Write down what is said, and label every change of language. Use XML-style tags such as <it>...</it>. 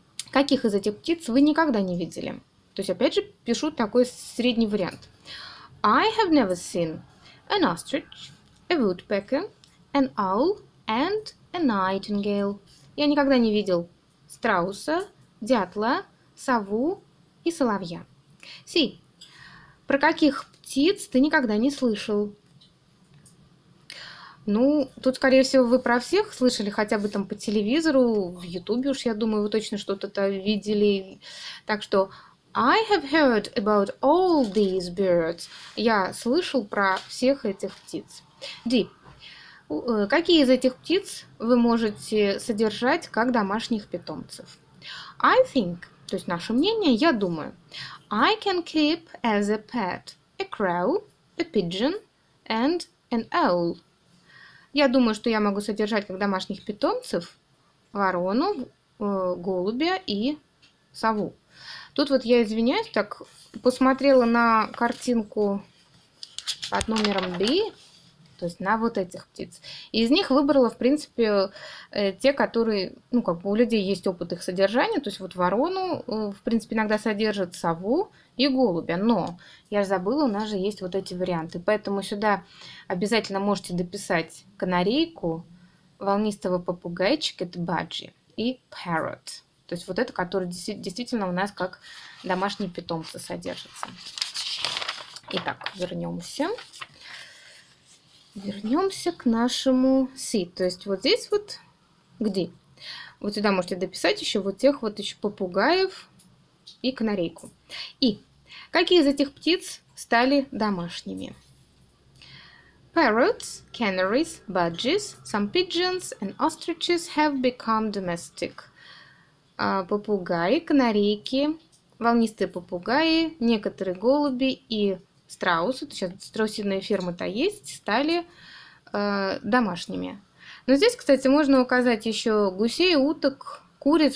<ru>Каких из этих птиц вы никогда не видели? То есть опять же пишу такой средний вариант.</ru> <en>I have never seen an ostrich, a woodpecker, an owl and a nightingale.</en> <ru>Я никогда не видел страуса, дятла, сову и соловья. Си, про каких птиц ты никогда не слышал? Ну, тут, скорее всего, вы про всех слышали, хотя бы там по телевизору, в Ютубе уж, я думаю, вы точно что-то-то видели. Так что,</ru> <en>I have heard about all these birds.</en> <ru>Я слышал про всех этих птиц. Ди. Какие из этих птиц вы можете содержать как домашних питомцев?</ru> <en>I think,</en> <ru>то есть наше мнение, я думаю.</ru> <en>I can keep as a pet a crow, a pigeon and an owl.</en> <ru>Я думаю, что я могу содержать как домашних питомцев ворону, голубя и сову. Тут вот я извиняюсь, так посмотрела на картинку под номером B. То есть на вот этих птиц. Из них выбрала, в принципе, те, которые, ну, как бы у людей есть опыт их содержания. То есть вот ворону, в принципе, иногда содержат сову и голубя. Но я забыла, у нас же есть вот эти варианты. Поэтому сюда обязательно можете дописать канарейку, волнистого попугайчика, это баджи, и parrot. То есть вот это, которое действительно у нас как домашние питомцы содержатся. Итак, вернемся. Вернемся к нашему C, то есть вот здесь вот где. Вот сюда можете дописать еще вот тех вот еще попугаев и канарейку. И какие из этих птиц стали домашними?</ru> <en>Parrots, canaries, budgies, some pigeons and ostriches have become domestic.</en> <ru>Попугаи, канарейки, волнистые попугаи, некоторые голуби и страусы, то есть страусиные фермы-то есть, стали домашними. Но здесь, кстати, можно указать еще гусей, уток, куриц.</ru>